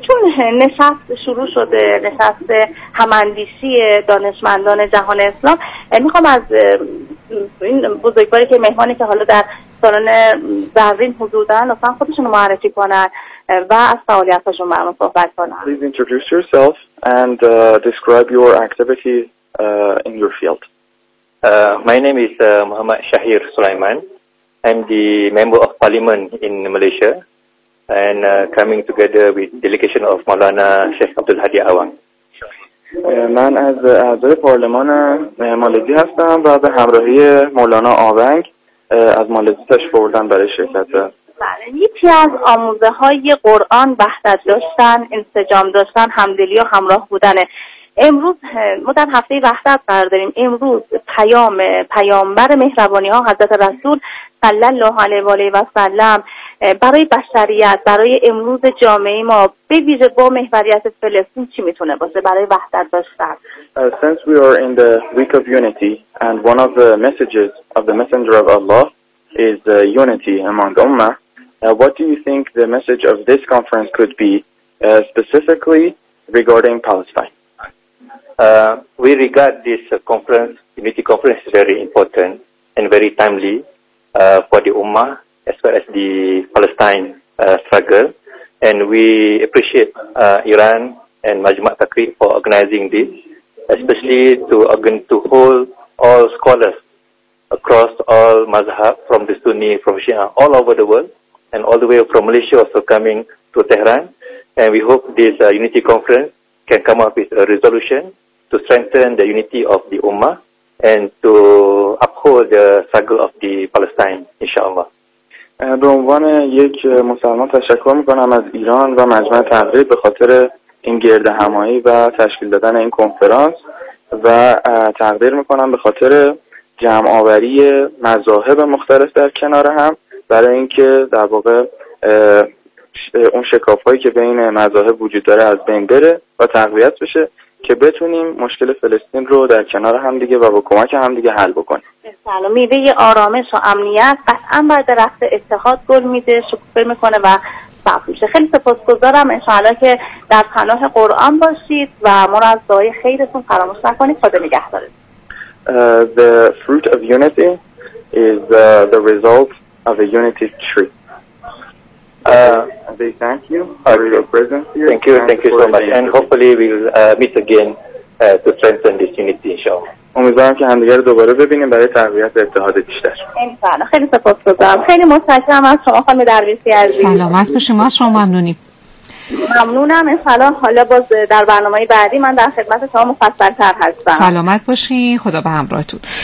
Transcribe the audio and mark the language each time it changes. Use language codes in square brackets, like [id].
[fa] چون نشست شروع شده، نشست هماندیشی دانشمندان جهان اسلام، میخوام از این بزرگواری که مهمانی که حالا در سالن زرین حضور دارن اصلا خودشون رو معرفی کنن و از فعالیت‌هاشون برامون صحبت کنن. [en] Please introduce yourself and describe your activity in your field. My name is Muhammad Shahir Sulaiman. I'm the member of parliament in Malaysia and coming together with delegation of Maulana Sheikh Abdul Hadi Awang. [fa] من از اعضای پارلمان مالزی هستم و به همراهی مولانا آونگ از مالزی تشریف آوردم برای شرکت. یکی از آموزه های قرآن وحدت داشتن، انسجام داشتن، همدلی و همراه بودنه. امروز ما در هفته وحدت قرار داریم. امروز پیام پیامبر مهربانی ها حضرت رسول صلی الله علیه و آله و سلم برای بشریت، برای امروز جامعه ما به ویژه با محوریت فلسطین چی میتونه باشه برای وحدت داشتن؟ [en] Since we are in the week of unity and one of the messages of the messenger of Allah is unity among ummah, what do you think the message of this conference could be specifically regarding Palestine? We regard this conference, unity conference, very important and very timely for the ummah as well as the Palestine struggle. And we appreciate Iran and Majma' Takrir for organizing this, especially to hold all scholars across all mazhab, from the Sunni, from Shia, all over the world, and all the way from Malaysia also coming to Tehran. And we hope this unity conference can come up with a resolution to strengthen the unity of the ummah and to uphold the struggle of the Palestine, inshallah. [fa] به عنوان یک مسلمان تشکر میکنم از ایران و مجمع تقریب به خاطر این گرد همایی و تشکیل دادن این کنفرانس و تقدیر میکنم به خاطر جمع آوری مذاهب مختلف در کنار هم برای اینکه در واقع اون شکاف هایی که بین مذاهب وجود داره از بین بره و تقویت بشه که بتونیم مشکل فلسطین رو در کنار هم دیگه و با کمک هم دیگه حل بکنیم. سلام. میوه آرامش و امنیت قطعا بر درخت اتحاد گل میده، شکوفه میکنه و سبز. خیلی سپاسگزارم، انشاءالله که در پناه قرآن باشید و ما رو از دعای خیرتون فراموش نکنید. خدا نگهدارید. [en] The fruit of unity is the result of a unity tree. They thank you for your presence here. Thank you, thank you so much. And hopefully we'll meet again to strengthen this unity, inshallah. [fa] امیدوارم که همدیگر رو دوباره ببینیم برای تقویت اتحاد بیشتر. خیلی سپاسگزارم. خیلی متشکرم از شما خانم درویشی عزیز. سلامت باشیم. از شما ممنونیم. ممنونم. انشاءالله حالا باز در برنامه بعدی من در خدمت شما مفصل‌تر هستم. سلامت باشین. خدا به همراهتون.